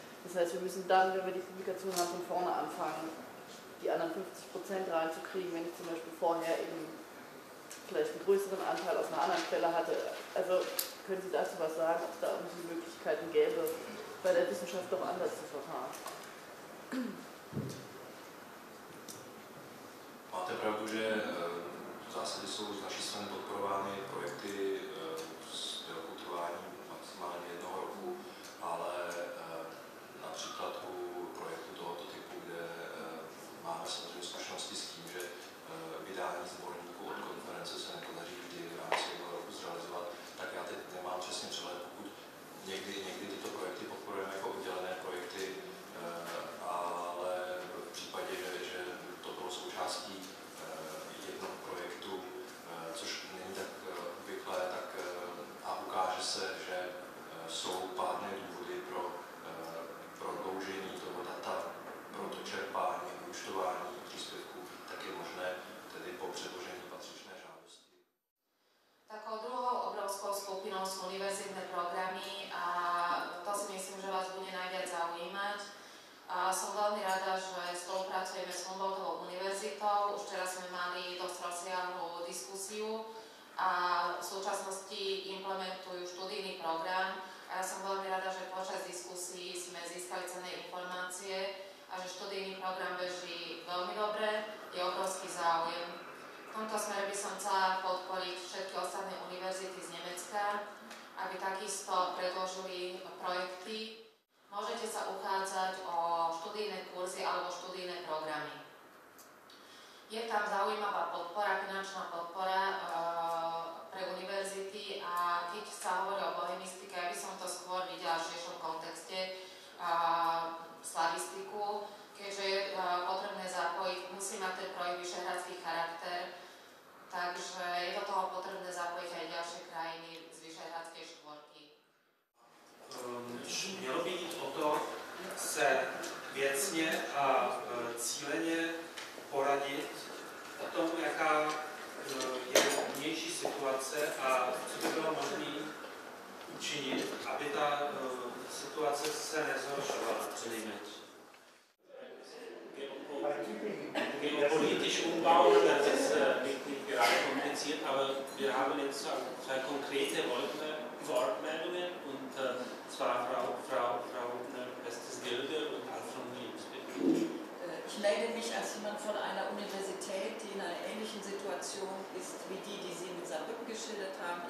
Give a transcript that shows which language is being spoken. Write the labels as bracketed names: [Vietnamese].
[German] Das heißt, wir müssen dann, wenn wir die Publikation haben, von vorne anfangen, die anderen 50% reinzukriegen, wenn ich zum Beispiel vorher eben vielleicht einen größeren Anteil aus einer anderen Quelle hatte. Also können Sie dazu was sagen, ob es da irgendwie Möglichkeiten gäbe, bei der Wissenschaft doch anders zu verfahren. [Czech] Máte pravdu, že v zásadě jsou z naší strany podporovány projekty s trváním maximálně jednoho roku, ale například u projektu tohoto typu, kde máme samozřejmě zkušenosti s tím, že vydání sborníku od konference se nepodaří vždy v rámci jednoho roku zrealizovat, tak já teď nemám přesně přehled, pokud někdy tyto projekty podporujeme jako oddělené projekty, ale v případě, že to bylo součástí jednoho projektu, což není tak obvyklé, tak a ukáže se, že jsou pádné důvody pro prodloužení toho data, pro to čerpání, účtování příspěvků, tak je možné tedy po předložení patřičné žádosti. Takovou druhou obrovskou skupinou jsou univerzitní programy a to si myslím, že vás bude [Slovak] najviac zaujímať. A som veľmi rada, že spolupracujeme s Humboldtovou univerzitou. Už teraz sme mali dosť rozsiahlu diskusiu a v súčasnosti implementujú študijný program. A ja som veľmi rada, že počas diskusí sme získali cenné informácie a že študijný program beží veľmi dobre, je obrovský záujem. V tomto smere by som chcela podporiť všetky ostatné univerzity z Nemecka, aby takisto predložili projekty. Môžete sa uchádzať o študijné kurzy alebo študijné programy. Je tam zaujímavá podpora, finančná podpora pre univerzity a keď sa hovorí o bohemistike, ja by som to skôr videla v širšom kontexte slavistiku, keďže je potrebné zapojiť, musí mať ten projekt vyšehradský charakter, takže je do toho potrebné zapojiť aj ďalšie krajiny z vyšehradskej štvorky. [Czech] Mělo by jít o to se věcně a cíleně poradit o tom, jaká je vnější situace a co by bylo možné učinit, aby ta situace se nezhoršovala přinejmenším. [German] Geopolitisch umbauen, das ist wirklich gerade kompliziert, aber wir haben jetzt zwei konkrete Wortmeldungen und zwar Frau Bestes Gilde und Alfred Nils. Ich melde mich als jemand von einer Universität, die in einer ähnlichen Situation ist wie die, die Sie mit Saarbrücken geschildert haben.